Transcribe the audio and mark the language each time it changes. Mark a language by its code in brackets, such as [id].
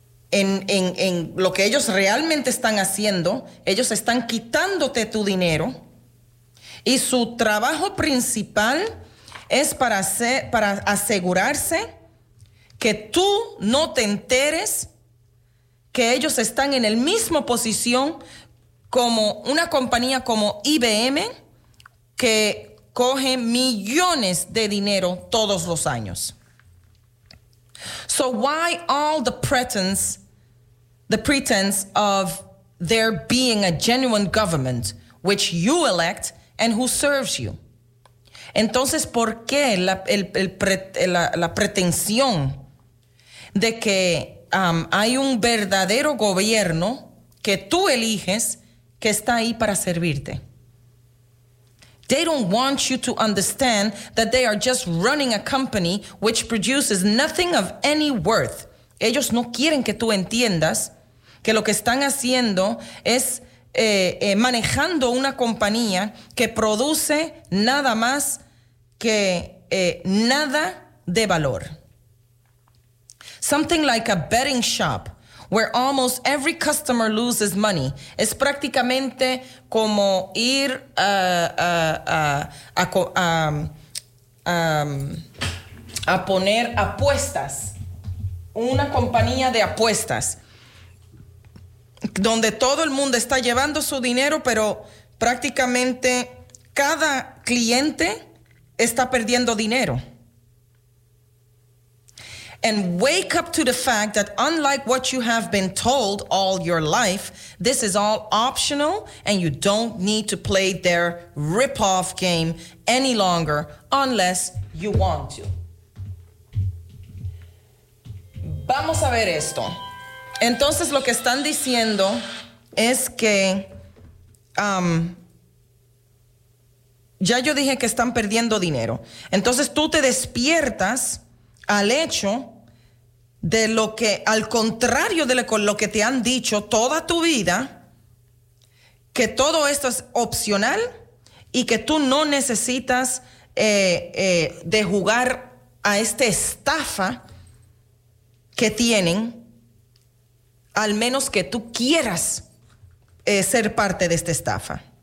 [es] En lo que ellos realmente están haciendo, ellos están quitándote tu dinero y su trabajo principal es para asegurarse que tú no te enteres que ellos están en la misma posición como una compañía como IBM, que coge millones de dinero todos los años. [en] So why all the pretense of there being a genuine government which you elect and who serves you? [es] Entonces, ¿por qué la pretensión de que hay un verdadero gobierno que tú eliges que está ahí para servirte? [en] They don't want you to understand that they are just running a company which produces nothing of any worth. [es] Ellos no quieren que tú entiendas que lo que están haciendo es manejando una compañía que produce nada más que nada de valor. [en] Something like a betting shop where almost every customer loses money. [es] Es prácticamente como ir a poner apuestas. Una compañía de apuestas donde todo el mundo está llevando su dinero, pero prácticamente cada cliente está perdiendo dinero. [en] And wake up to the fact that unlike what you have been told all your life, this is all optional and you don't need to play their rip-off game any longer unless you want to. [es] Vamos a ver esto. Entonces lo que están diciendo es que ya yo dije que están perdiendo dinero. Entonces tú te despiertas al hecho de lo que, al contrario de lo que te han dicho toda tu vida, que todo esto es opcional y que tú no necesitas de jugar a esta estafa que tienen, al menos que tú quieras ser parte de esta estafa.